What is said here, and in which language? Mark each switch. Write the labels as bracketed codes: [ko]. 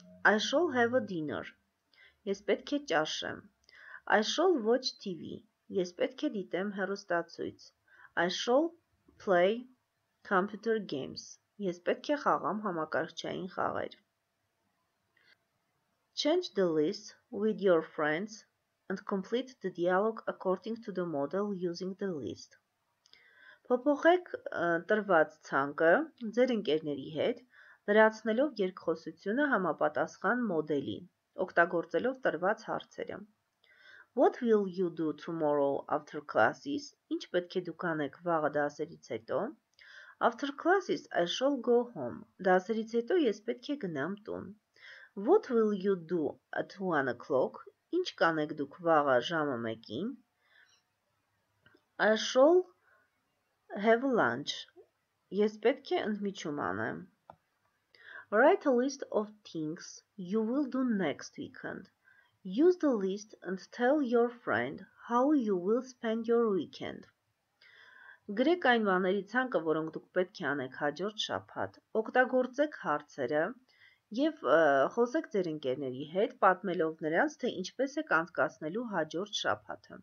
[en] I shall have a dinner. [hy] Ես պետք է ճաշեմ. [en] I shall watch TV. [hy] Ես պետք է դիտեմ հեռուստացույց. [en] I shall play computer games. [hy] Ես պետք է խաղամ համակարգչային խաղեր. [en] Change the list with your friends and complete the dialogue according to the model using the list. [hy] Փոփոխեք տրված ցանկը ձեր ընկերների հետ, լրացնելով երկխոսությունը համապատասխան մոդելի, օգտագործելով տրված հարցերը. [en] What will you do tomorrow after classes? [hy] Ինչ պետք է դուք անեք վաղը դասերից հետո? [en] After classes, I shall go home. [hy] Դասերից հետո ես պետք է գնամ տուն. [en] What will you do at 1 o'clock? [hy] Ինչ կանեք դուք վաղը ժամը 1-ին? [en] I shall have lunch. [hy] Ես պետք է ընդմիջում անեմ. [en] Write a list of things you will do next weekend. Use the list and tell your friend how you will spend your weekend. [hy] Գրեք այն բաների ցանկը, որոնք դուք պետք է անեք հաջորդ շաբաթ։ Օգտագործեք հարցերը եւ խոսեք ձեր ընկերների հետ, պատմելով նրանց, թե ինչպես եք անցկացնելու հաջորդ շաբաթը։